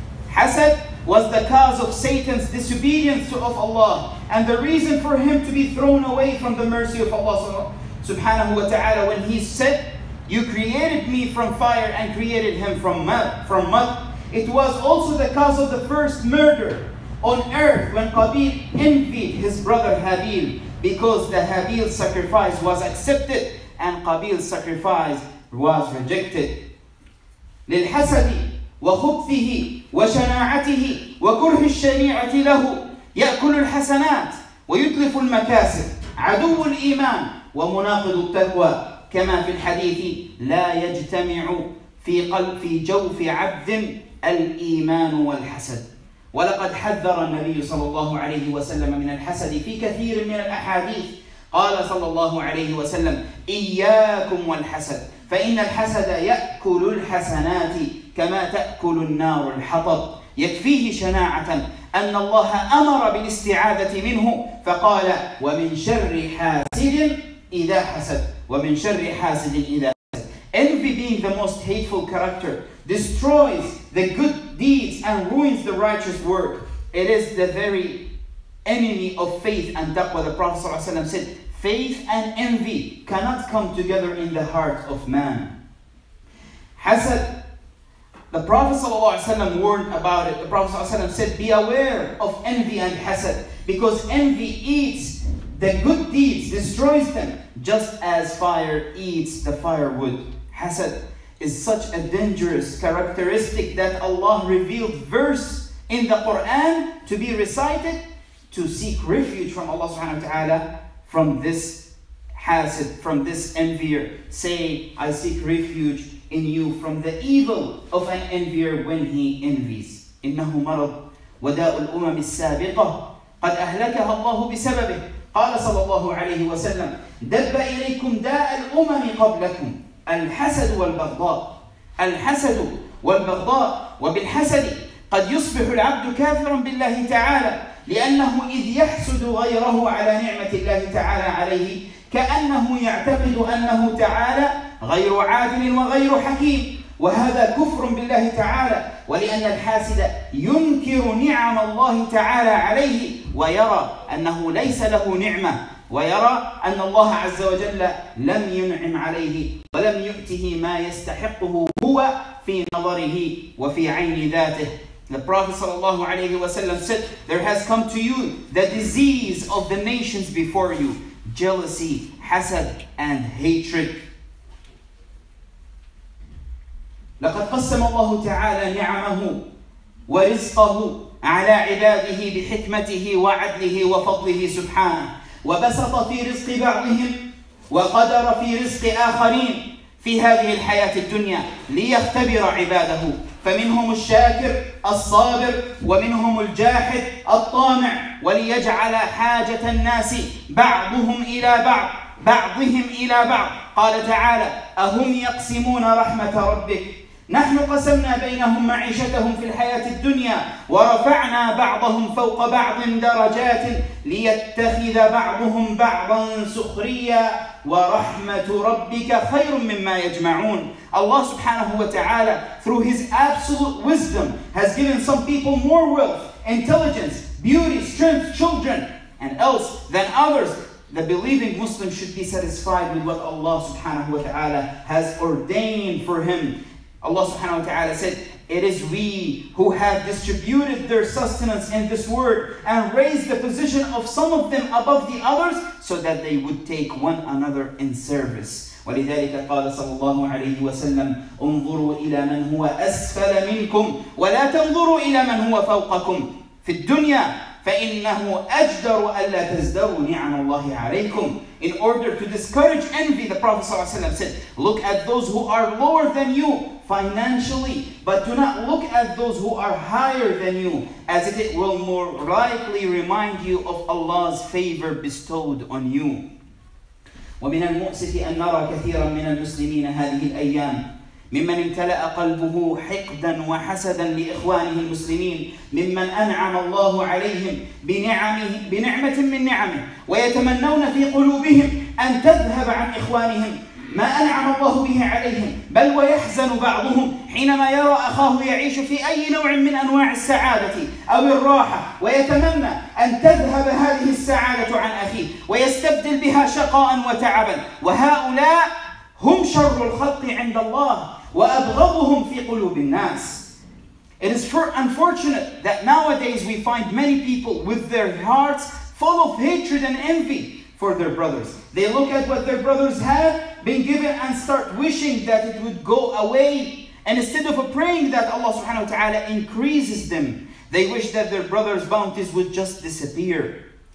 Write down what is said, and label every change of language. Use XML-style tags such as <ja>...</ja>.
<en>Hasad was the cause of Satan's disobedience to of Allah and the reason for him to be thrown away from the mercy of Allah subhanahu wa ta'ala, when he said, "You created me from fire and created him from mud." It was also the cause of the first murder on earth, when Qabil envied his brother Habil, because the Habil sacrifice was accepted and Qabil's sacrifice was rejected.</en> <ar>للحسد وخبثه وشناعته وكره الشنيعة له، يأكل الحسنات ويتلف المكاسب، عدو الإيمان ومناقض التقوى، كما في الحديث: لا يجتمع في قلب جوف عبد الإيمان والحسد. ولقد حذر النبي صلى الله عليه وسلم من الحسد في كثير من الأحاديث. قال صلى الله عليه وسلم: إياكم والحسد، فإن الحسد يأكل الحسنات كما تأكل النار الحطب. يكفيه شناعة أن الله أمر بالاستعاذة منه، فقال: ومن شر حاسد إذا حسد، ومن شر حاسد إذا حسد.</ar> <en>Envy really being the most hateful character destroys the good deeds and ruins the righteous work. It is the very enemy of faith, and that's what the Prophet ﷺ said. Faith and envy cannot come together in the heart of man. Hasad, the Prophet ﷺ warned about it. The Prophet ﷺ said, be aware of envy and hasad, because envy eats the good deeds, destroys them, just as fire eats the firewood. Hasad is such a dangerous characteristic that Allah revealed verse in the Quran to be recited to seek refuge from Allah subhanahu wa ta'ala from this hasad, from this envier, saying, I seek refuge in you from the evil of an envier when he envies.</en> <ar>إِنَّهُ مَرَضْ وَدَاءُ الْأُمَمِ السَّابِقَةِ قَدْ أَهْلَكَهَا اللَّهُ بِسَبَبِهِ قَالَ صَلَى اللَّهُ عَلَيْهِ وَسَلَّمْ دَبَّ إِلَيْكُمْ دَاءَ الْأُمَمِ قَبْلَكُمْ الْحَسَدُ وَالْبَغْضَاءُ الْحَسَدُ وَالْبَغْضَاءُ وَبِالْحَسَدِ قَدْ يُصْبِحُ الْعَبْدُ كَافِرًا بِاللَّهِ تَعَالَى لأنه إذ يحسد غيره على نعمة الله تعالى عليه كأنه يعتقد أنه تعالى غير عادل وغير حكيم وهذا كفر بالله تعالى ولأن الحاسد ينكر نعم الله تعالى عليه ويرى أنه ليس له نعمة ويرى أن الله عز وجل لم ينعم عليه ولم يؤته ما يستحقه هو في نظره وفي عين ذاته.</ar> <en>The Prophet sallallahu alayhi wa sallam said, there has come to you the disease of the nations before you, jealousy, hasad, and hatred.</en> <ar>لقد قسم الله تعالى نعمه ورزقه على عباده بحكمته وعدله وفضله سبحانه وبسط في رزق بعضهم وقدر في رزق آخرين في هذه الحياة الدنيا ليختبر عباده فمنهم الشاكر الصابر ومنهم الجاحد الطامع وليجعل حاجة الناس بعضهم إلى بعض بعضهم إلى بعض. قال تعالى أهم يقسمون رحمة ربك نحن قسمنا بينهم معيشتهم في الحياة الدنيا ورفعنا بعضهم فوق بعض درجات ليتخذ بعضهم بعضا سخريا ورحمة ربك خير مما يجمعون.</ar> <en>Allah subhanahu wa ta'ala, through His absolute wisdom, has given some people more wealth, intelligence, beauty, strength, children, and else than others. The believing Muslim should be satisfied with what Allah subhanahu wa ta'ala has ordained for him. Allah subhanahu wa ta'ala said, it is we who have distributed their sustenance in this world and raised the position of some of them above the others so that they would take one another in service.</en> <ar>ولذلك قال صلى الله عليه وسلم انظروا إلى من هو أسفل منكم ولا تنظروا إلى من هو فوقكم في الدنيا فإنه أجدر ألا تزدروا نعم الله عليكم.</ar> <en>In order to discourage envy, the Prophet صلى الله عليه وسلم said, look at those who are lower than you financially, but do not look at those who are higher than you, as it will more rightly remind you of Allah's favor bestowed on you.</en> <ar>ومن المؤسف أن نرى كثيرا من المسلمين هذه الأيام ممن امتلأ قلبه حقدا وحسدا لإخوانه المسلمين ممن أنعم الله عليهم بنعمة من نعمه ويتمنون في قلوبهم أن تذهب عن إخوانهم ما أنعم الله به عليهم بل ويحزن بعضهم حينما يرى أخاه يعيش في أي نوع من أنواع السعادة أو الراحة ويتمنى أن تذهب هذه السعادة عن أخيه ويستبدل بها شقاء وتعبا وهؤلاء هم شر الخلق عند الله وأبغضهم في قلوب الناس.</ar> <en>It is unfortunate that nowadays we find many people with their hearts full of hatred and envy for their brothers. They look at what their brothers have been given and start wishing that it would go away. And instead of praying that Allah subhanahu wa ta'ala increases them, they wish that their brother's bounties would just disappear.</en>